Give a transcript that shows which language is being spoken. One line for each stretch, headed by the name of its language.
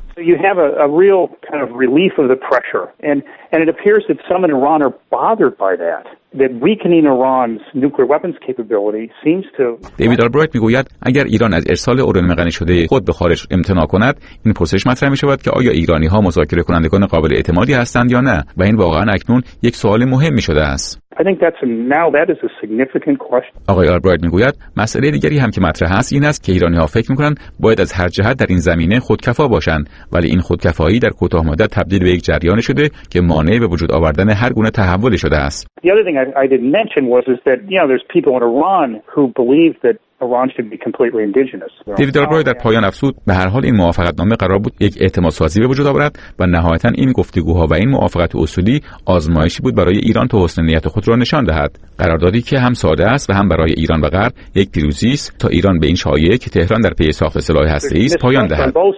English: You have a real kind of relief of the pressure, and it appears that some in Iran are bothered by that. That weakening Iran's nuclear weapons capability seems to.
Persian: David Albright میگوید اگر ایران از ارسال اورانیوم غنی شده خود به خارج امتناع کند، این پرسش مطرح می‌شود که آیا ایرانی‌ها مذاکره کنندگان قابل اعتمادی هستند یا نه، و این واقعاً اکنون یک سوال مهمی شده است.
English: I think that's now that is a significant question.
Persian: آقای آلبرایت میگوید مسئله دیگری هم که مطرح است این است که ایرانی‌ها فکر می‌کنند باید از هر جهت در این زمینه خودکفا باشند، ولی این خودکفایی در کوتاه‌مدت تبدیل به یک جریان شده که مانع به وجود آوردن هر گونه تحولی شده است.
English: The other thing I didn't mention was that you know there's people in Iran who believe that Iran should be completely indigenous.
Persian: دیوید آلبرایت در پایان افزود به هر حال این موافقتنامه قرار بود یک اعتمادسازی به وجود آورد و نهایتاً این گفتگوها و این موافقت اصولی آزمایشی بود برای ایران تا حسن نیت خود را نشان دهد. قراردادی که هم ساده است و هم برای ایران و غرب یک پیروزی است تا ایران به این شایعه که تهران در پی ساخت سلاح هسته‌ای است پایان دهد.